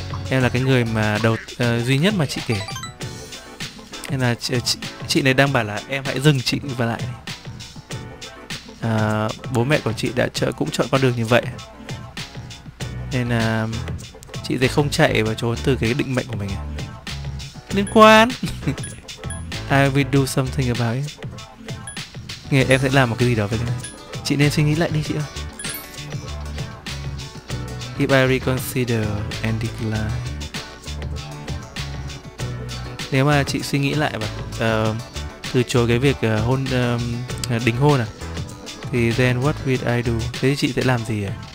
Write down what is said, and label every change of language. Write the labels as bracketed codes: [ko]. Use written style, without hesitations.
[vi] Em là cái người mà duy nhất mà chị kể. Nên là chị này đang bảo là em hãy dừng chị và lại. Bố mẹ của chị đã cũng chọn con đường như vậy. Nên là chị sẽ không chạy và trốn từ cái định mệnh của mình. Liên quan. [en] I will do something about it. [vi] Nghe em sẽ làm một cái gì đó với cái này. Chị nên suy nghĩ lại đi chị ơi. [en] If I reconsider and decline. [vi] Nếu mà chị suy nghĩ lại và từ chối cái việc đính hôn thì [en] then what will I do? [vi] Thế thì chị sẽ làm gì?